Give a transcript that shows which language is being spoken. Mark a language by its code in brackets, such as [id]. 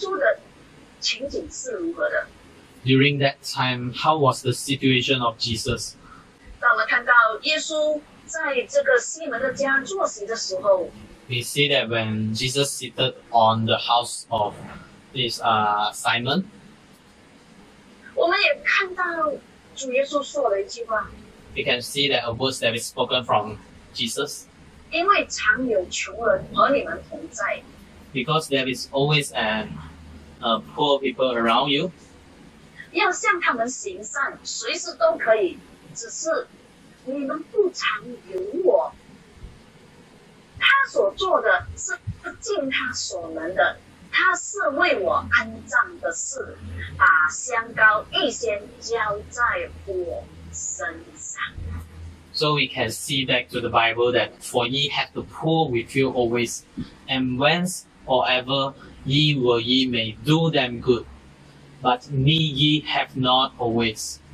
[zh] 当时耶稣的情景是如何的? [en] During that time, how was the situation of Jesus? [zh] 当我们看到耶稣 在这个西门的家坐席的时候, [en] we see that when Jesus seated on the house of this Simon, [zh] 我们也看到主耶稣说了一句话, [en] we can see that a word that is spoken from Jesus, [zh] 因为常有穷人和你们同在, [en] because there is always a poor people around you, [zh] 要向他们行善, 随时都可以, 只是 你们不常有我，他所做的是尽他所能的，他是为我安葬的事，把香膏预先浇在我身上。 [en] So we can see back to the Bible that for ye have the poor with you always, and whence or ever ye will ye may do them good, but me ye have not always.